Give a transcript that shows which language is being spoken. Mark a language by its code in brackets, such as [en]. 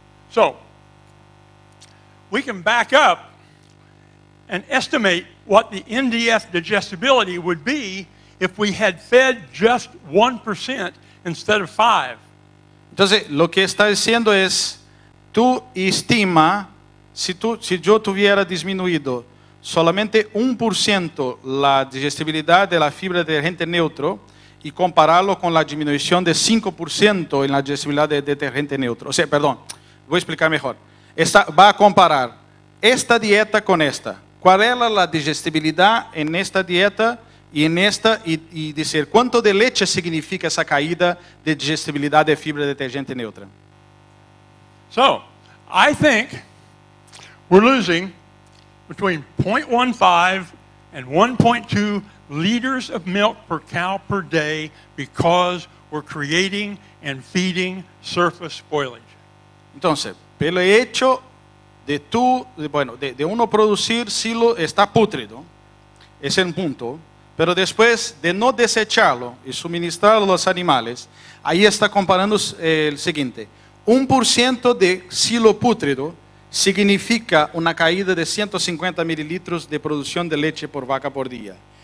[en] So, we can back up and estimate what the NDF digestibility would be if we had fed just 1% instead of 5. [es] Entonces, lo que está diciendo es, tú estima, si yo tuviera disminuido solamente 1% la digestibilidad de la fibra de detergente neutro, y compararlo con la disminución de 5% en la digestibilidad de detergente neutro. O sea, perdón, voy a explicar mejor. Va a comparar esta dieta con esta. ¿Cuál era la digestibilidad en esta dieta y en esta? Y decir, ¿cuánto de leche significa esa caída de digestibilidad de fibra de detergente neutra? [en] So, I think we're losing between 0.15 and 1.2 liters of milk per cow per day because we're creating and feeding surface spoilage. [es] Entonces, pelo hecho de tú, bueno, de uno producir silo está pútrido, es el punto, pero después de no desecharlo y suministrarlo a los animales, ahí está comparando el siguiente: 1% de silo pútrido significa una caída de 150 mililitros de producción de leche por vaca por día.